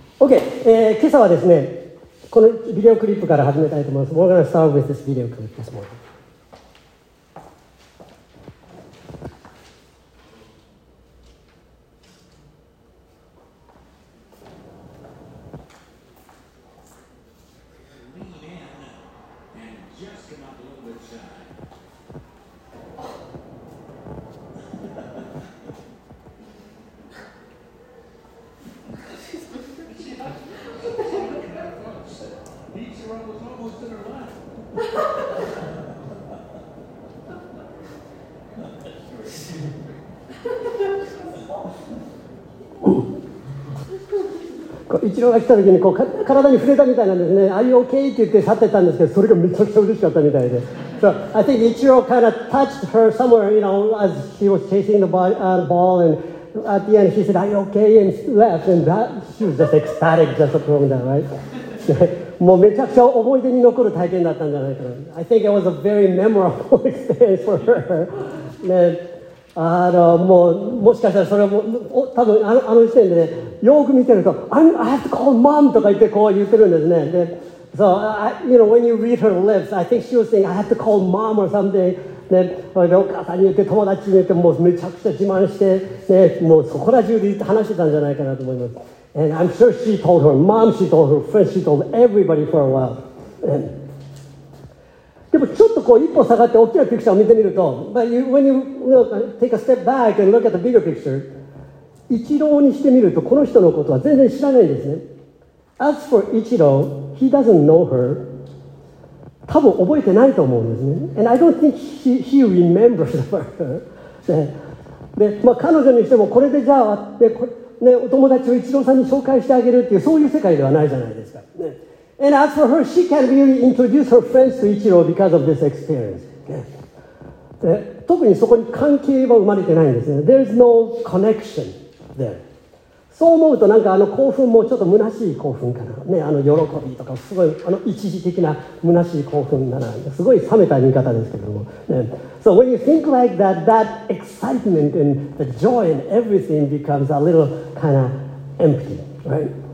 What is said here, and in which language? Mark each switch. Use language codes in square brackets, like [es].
[ja] OK、今朝はですね、このビデオクリップから始めたいと思います。 [en] We're gonna start with this video clip this morning. [ja] イチローが来た時にこう体に触れたみたいなんですね。 [en] Are you okay? [ja] って言って去ってたんですけど、それがめちゃくちゃ嬉しかったみたいで、 [en] So I think イチロー kind of touched her somewhere, you know, as she was chasing the ball, and at the end she said, Are you okay? and left, and that, she was just ecstatic just from that, right? [ja] もうめちゃくちゃ思い出に残る体験だったんじゃないかな。 [en] I think it was a very memorable experience for her、 [ja] ね、もう、もしかしたらそれも、たぶん、あの時点でね、よく見てると、 [en] I have to call mom [ja] とか言ってこう言ってるんですね。 [en] で、so, you know, when you read her lips, I think she was saying, I have to call mom or something. [ja] で、お母さんに言って、友達に言って、もうめちゃくちゃ自慢して、ね、もうそこら中で話してたんじゃないかなと思います。 [en] And I'm sure she told her mom, she told her friends, she told everybody for a while. [ja] でもちょっとこう一歩下がって大きなピクチャーを見てみると、 [en] But you, when you, you know, take a step back and look at the bigger picture, [ja] 一郎にしてみるとこの人のことは全然知らないんですね。 [en] As for 一郎, he doesn't know her. [ja] 多分覚えてないと思うんですね。 [en] And I don't think he remembers her. [ja] で、まあ彼女にしてもこれでじゃあ、ね、これ、ね、お友達を一郎さんに紹介してあげるっていうそういう世界ではないじゃないですか。ね。 [en] And as for her, she can really introduce her friends to Ichiro because of this experience. [ja] で、特にそこに関係は生まれてないんですね。 [en] There's no connection there. [ja] そう思うとなんかあの興奮もちょっと虚しい興奮かな。ね、あの喜びとかすごいあの一時的な虚しい興奮だな。すごい冷めた見方ですけども。 [en] ね、so when you think like that, that excitement and the joy and everything becomes a little kind of empty, right?